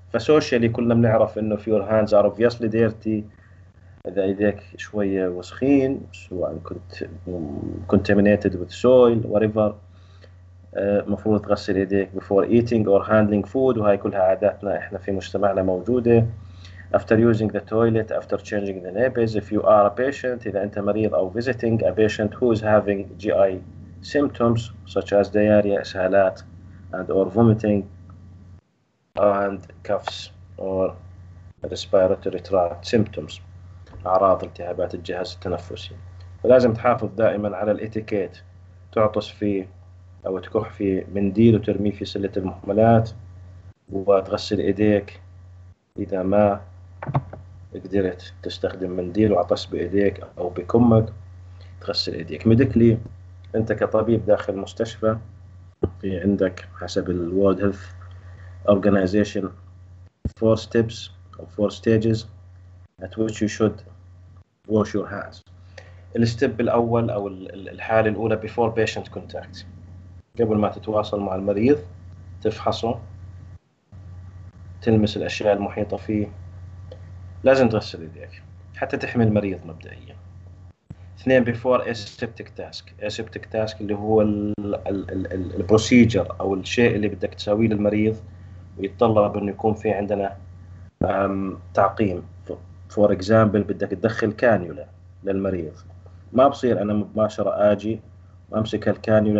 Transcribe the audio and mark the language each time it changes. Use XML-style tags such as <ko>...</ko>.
<ar>فسوشيالي كلنا بنعرف إنه في</ar> <en>your hands are obviously dirty</en> <ar>إذا إيديك شوية وسخين سواء كنت</ar> <en>contaminated with soil whatever</en> <ar>مفروض تغسل إيديك</ar> <en>before eating or handling food</en> <ar>وهي كلها عاداتنا إحنا في مجتمعنا موجودة.</ar> <en>After using the toilet, after changing the nappies, if you are a patient,</en> <ar>إذا أنت مريض أو</ar> <en>visiting a patient who is having GI symptoms such as diarrhea, إسهالات and or vomiting and coughs or respiratory tract symptoms</en> <ar>أعراض التهابات الجهاز التنفسي. ولازم تحافظ دائما على الإتيكيت تعطس في أو تكح في منديل وترميه في سلة المهملات وتغسل إيديك إذا ما قدرت تستخدم منديل وعطس بإيديك أو بكمك تغسل إيديك. ميديكلي أنت كطبيب داخل مستشفى في عندك حسب الـ</ar> <en>World Health Organization 4 steps or 4 stages at which you should wash your hands.</en> <ar>الستيب الأول أو الحالة الأولى</ar> <en>before patient contact</en> <ar>قبل ما تتواصل مع المريض تفحصه تلمس الأشياء المحيطة فيه لازم تغسل يديك حتى تحمي المريض مبدئيا.</ar> <en>اثنين before aseptic task.</en> <ar>aseptic task اللي هو البروسيجر أو الشيء اللي بدك تسويه للمريض ويتطلب انه يكون في عندنا تعقيم.</ar> <en>for example</en> <ar>بدك تدخل كانيولا للمريض ما بصير أنا مباشرة آجي أمسك الكانيولا.</ar>